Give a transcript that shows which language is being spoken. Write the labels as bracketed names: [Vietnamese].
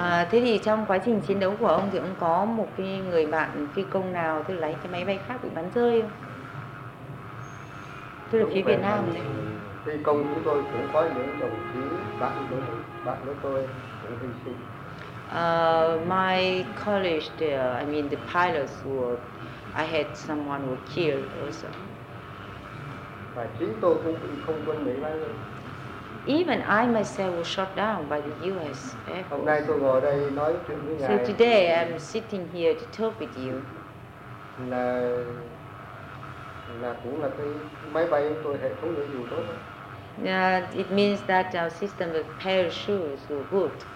[Vietnamese] Thế thì trong quá trình chiến đấu của ông thì ông có một cái người bạn phi công nào tức là cái máy bay khác bị bắn rơi không? Tức là phía Việt Nam đấy. Phi công chúng tôi cũng có những đồng chí bạn của tôi cũng hy sinh. [English] My college, I mean the pilots were, I had someone who killed also. [Vietnamese] Và chính tôi cũng bị không quân Mỹ bắn rơi. [English] Even I myself was shot down by the U.S. Air Force. [Vietnamese] Hôm nay tôi ngồi đây nói chuyện với ngài. [English] So today I'm sitting here to talk with you. [Vietnamese] Là cũng là cái máy bay của tôi hệ thống dù tốt. [English] It means that our system of parachutes were good.